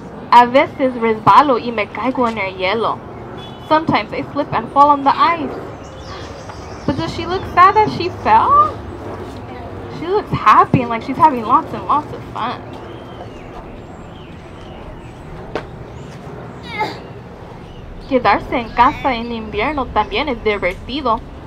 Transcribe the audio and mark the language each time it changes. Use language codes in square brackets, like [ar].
[es] A veces resbalo y me caigo en el hielo. [en] Sometimes I slip and fall on the ice. But does she look sad that she fell? She looks happy and like she's having lots and lots of fun. [es] Quedarse en casa en invierno también es divertido.